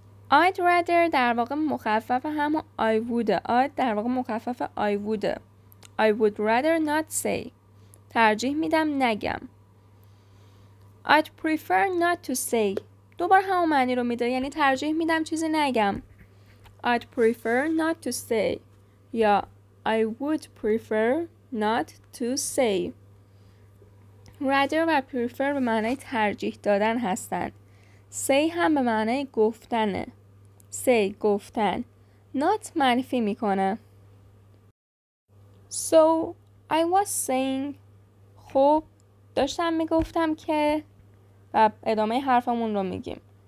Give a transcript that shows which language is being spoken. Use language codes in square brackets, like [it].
[en] I'd rather [fa] در واقع مخفف هم [en] I would، I'd [fa] در واقع مخفف [en] I would. I would rather not say، [fa] ترجیح میدم نگم. [en] I'd prefer not to say، [fa] دوبار هم معنی رو میده، یعنی ترجیح میدم چیزی نگم. [en] I'd prefer not to say یا I would prefer not to say. [fa] Rather و prefer به معنی ترجیح دادن هستن. Say هم به معنی گفتنه. Say گفتن. Not منفی میکنه. [en] So I was saying، [fa] خب داشتم میگفتم که، و ادامه حرفمون رو میگیم.